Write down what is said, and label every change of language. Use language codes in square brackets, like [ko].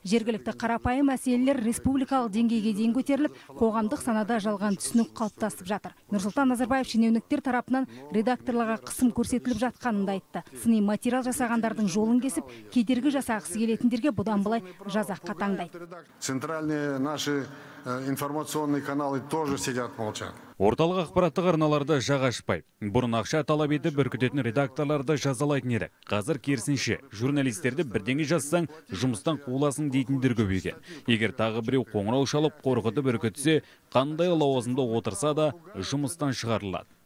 [kk] Жергілікті қарапайым мәселелер республикалық деңгейге дейін көтеріліп, қоғамдық санада жалған түсінік қалыптасып жатыр. Нұрсұлтан Назарбаев шенеуніктер тарапынан редакторларға қысым көрсетіліп жатқанын да айтты. Сыни материал жасағандардың жолын кесіп, кедергі жасағысы келетіндерге бұдан былай жаза қатаңдайды. [ru] Центральные наши информационные каналы тоже сидят молча. [kk] Орталық ақпараттық арналарды жаға ашпай. Бұрын ақша талап етіп бүркітетін редакторларды жазалайтын еді. Қазір керісінше, журналистерді бірдеңе жазсаң, жұмыстан қуыласың дейтіндер көбейген. Егер тағы біреу қоңырау шалып, қорқытып бүркітсе, қандай лауазымда отырса да жұмыстан шығарылады.